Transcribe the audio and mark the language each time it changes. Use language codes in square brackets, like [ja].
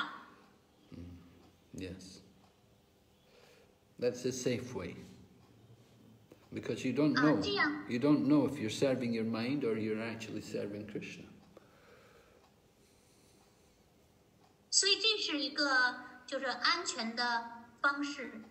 [zh] 如果是仅仅出于心意做事儿，那就确实不知道到底是不是Krishna像，所以呢，就需要是更高等权威的指导。 [en] Yes, that's a safe way, because you don't know. [zh] 这样, [en] you don't know if you're serving your mind or you're actually serving Krishna. [zh] 所以这是一个就是安全的方式。